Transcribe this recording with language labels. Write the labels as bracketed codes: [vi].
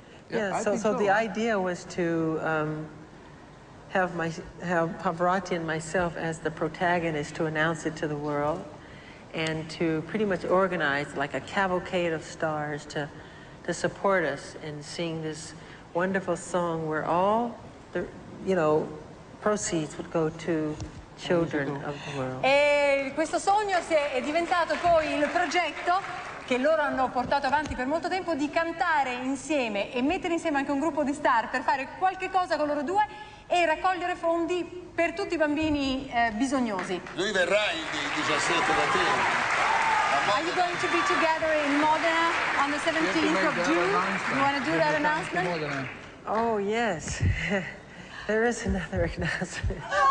[en] Yeah, so the idea was to have Pavarotti and myself as the protagonist to announce it to the world and to pretty much organize like a cavalcade of stars to support us in sing this wonderful song where all the proceeds would go to children of the world. [it] E questo sogno è diventato poi il progetto che loro hanno portato avanti per molto tempo, di cantare insieme e mettere insieme anche un gruppo di star per fare qualche cosa con loro due e raccogliere fondi per tutti i bambini bisognosi. Lui verrà il 17 da te. [en] Are you going to be together in Modena on the 17th of June? You want to do that announcement? Oh, yes. There is another announcement.